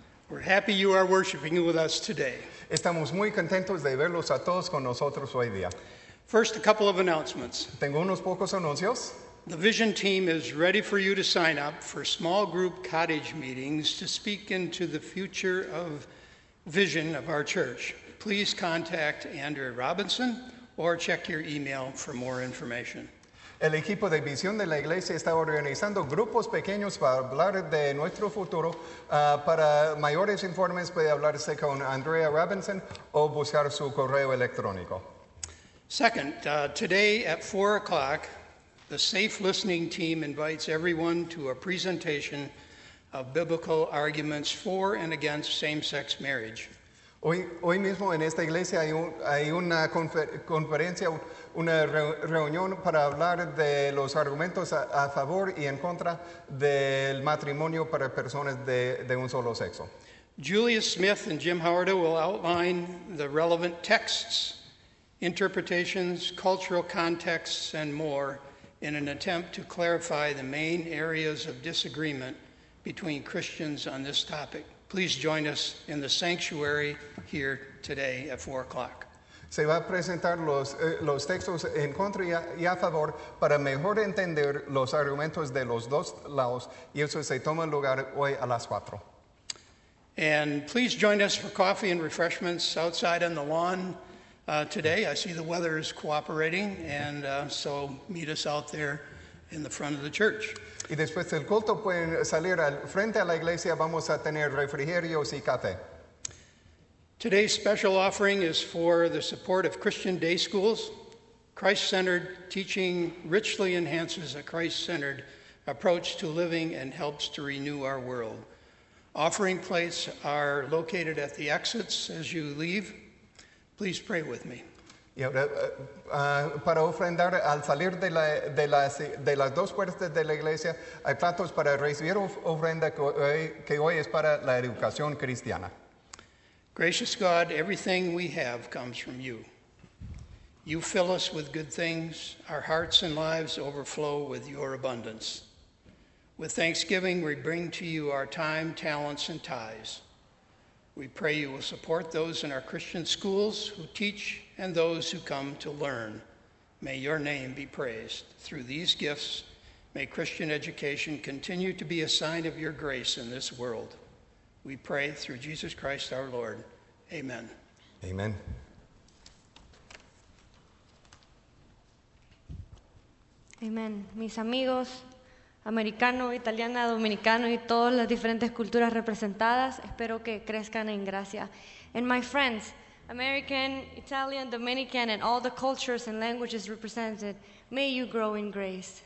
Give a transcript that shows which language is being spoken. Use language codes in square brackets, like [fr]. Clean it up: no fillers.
[en] We're happy you are worshiping with us today. [es] Estamos muy contentos de verlos a todos con nosotros hoy día. [en] First, a couple of announcements. [es] Tengo unos pocos anuncios. [en] The Vision team is ready for you to sign up for small group cottage meetings to speak into the future of vision of our church. Please contact Andrea Robinson or check your email for more information. [es] El equipo de visión de la iglesia está organizando grupos pequeños para hablar de nuestro futuro. Para mayores informes puede hablarse con Andrea Robinson o buscar su correo electrónico. [en] Second, today at 4 o'clock, the Safe Listening team invites everyone to a presentation of biblical arguments for and against same-sex marriage. [es] Hoy mismo en esta iglesia hay una reunión para hablar de los argumentos a favor y en contra del matrimonio para personas de un solo sexo. [en] Julius Smith and Jim Howarda will outline the relevant texts, interpretations, cultural contexts, and more in an attempt to clarify the main areas of disagreement between Christians on this topic. Please join us in the sanctuary here today at 4 o'clock. [es] Se va a presentar los textos en contra y a favor para mejor entender los argumentos de los dos lados, y eso se toma lugar hoy a las 4. [en] And please join us for coffee and refreshments outside on the lawn today. I see the weather is cooperating, and so meet us out there in the front of the church. [es] Y después del culto pueden salir al frente a la iglesia, vamos a tener refrigerios y café. [en] Today's special offering is for the support of Christian day schools. Christ-centered teaching richly enhances a Christ-centered approach to living and helps to renew our world. Offering plates are located at the exits as you leave. Please pray with me. [es] Y ahora, para ofrendar al salir de las dos puertas de la iglesia, hay platos para recibir ofrenda que hoy es para la educación cristiana. [en] Gracious God, everything we have comes from you. You fill us with good things. Our hearts and lives overflow with your abundance. With thanksgiving, we bring to you our time, talents, and tithes. We pray you will support those in our Christian schools who teach and those who come to learn. May your name be praised. Through these gifts, may Christian education continue to be a sign of your grace in this world. We pray through Jesus Christ our Lord. Amen. Amen. Amen. [es] Mis amigos, americano, italiana, dominicano, y todas las diferentes culturas representadas, espero que crezcan en gracia. [en] And my friends, American, Italian, Dominican, and all the cultures and languages represented, may you grow in grace.